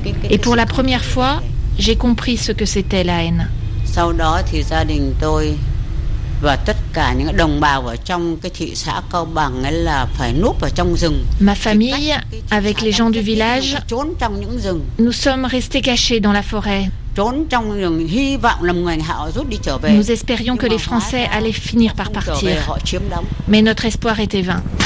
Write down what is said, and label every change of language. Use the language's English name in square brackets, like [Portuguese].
[French] Et pour la première fois, j'ai compris ce que c'était la haine. [Vietnamese] Sau đó thì gia đình tôi và tất cả những đồng bào ở trong cái thị xã Cao Bằng ấy là phải núp ở trong rừng. [French] Ma famille avec les gens du village, [Vietnamese] trốn trong những rừng. [French] Nous sommes restés cachés dans la forêt. [Vietnamese] Trốn trong rừng hy vọng là người họ rút đi trở về. [French] Nous espérions que les Français allaient finir par partir. Mais notre espoir était vain.